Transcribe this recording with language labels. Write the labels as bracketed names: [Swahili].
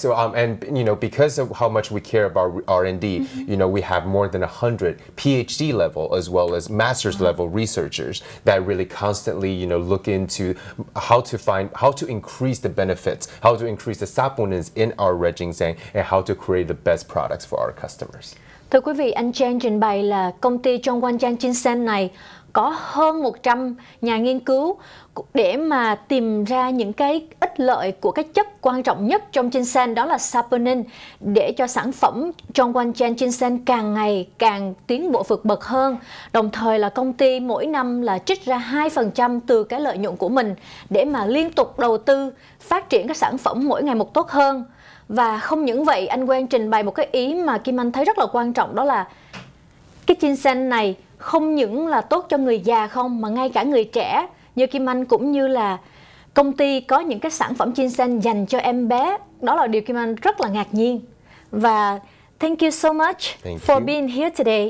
[English] So, and you know, because of how much we care about R&D, you know, we have more than 100 PhD level as well as master's level researchers that really constantly, you know, look into how to increase the saponins in our red ginseng and how to create the best products for our customers. [Vietnamese] Thưa quý vị, anh Chen trình bày là công ty Chengguanzhang Ginseng này có hơn 100 nhà nghiên cứu để mà tìm ra những cái ích lợi của cái chất quan trọng nhất trong ginseng, đó là saponin, để cho sản phẩm Chengguanzhang Ginseng càng ngày càng tiến bộ vượt bậc hơn. Đồng thời là công ty mỗi năm là trích ra 2% từ cái lợi nhuận của mình để mà liên tục đầu tư phát triển các sản phẩm mỗi ngày một tốt hơn. Và không những vậy, anh Quang trình bày một cái ý mà Kim Anh thấy rất là quan trọng, đó là cái ginseng này không những là tốt cho người già không, mà ngay cả người trẻ như Kim Anh cũng như là công ty có những cái sản phẩm ginseng dành cho em bé. Đó là điều Kim Anh rất là ngạc nhiên. Và [English] thank you so much for being here today.